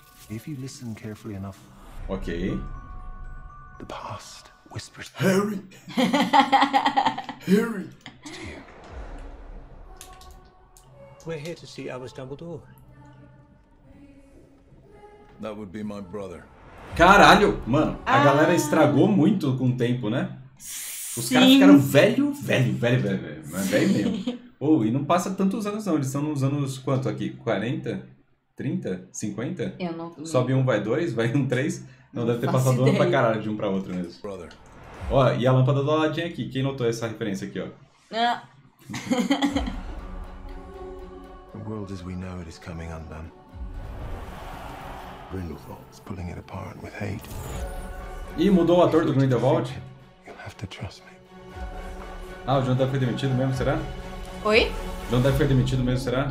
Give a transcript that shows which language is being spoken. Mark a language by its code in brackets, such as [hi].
[en] If you listen carefully enough. Ok. The past whispers. Harry! Harry! We're here to see Albus Dumbledore. That would be my brother. [pt] Caralho, mano, a galera estragou muito com o tempo, né? Os caras ficaram velho, velho, velho, velho, velho, velho mesmo. Ou oh, e não passa tantos anos não, eles estão nos anos quanto aqui? 40? 30? 50? Eu não. Sobe um, vai dois, vai um, três. Não, deve ter passado um ano pra caralho de um pra outro mesmo. Brother. Ó, e a lâmpada do ladinho aqui, quem notou essa referência aqui, ó? [en] The world as we know it is coming undone. Grindelwald's pulling it apart with hate. [pt] E mudou o ator do Grindelwald? [en] You'll have to trust me. [pt] Ah, o John Depp foi demitido mesmo, será? Oi? O John Depp foi demitido mesmo, será?